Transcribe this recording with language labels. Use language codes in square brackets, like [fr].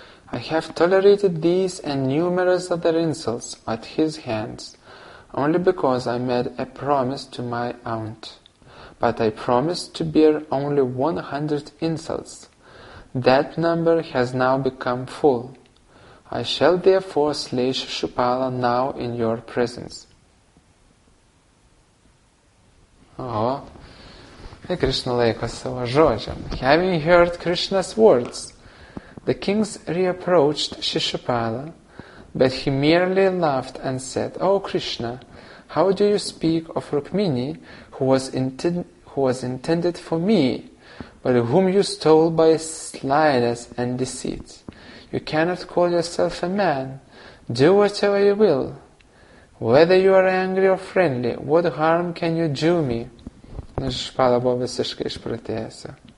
[en] I have tolerated these and numerous other insults at his hands only because I made a promise to my aunt. But I promised to bear only 100 insults. That number has now become full. I shall therefore slay Shishupala now in your presence. [lt] Oh, Krishna laikos savo žodžio. [en] Having heard Krishna's words, the kings reapproached Shishupala, but he merely laughed and said, O Krishna, how do you speak of Rukmini, who was intended for me, but whom you stole by slyness and deceit? You cannot call yourself a man. Do whatever you will. Whether you are angry or friendly, what harm can you do me? [lt] Shishupala buvo visiškai išprotėjusi.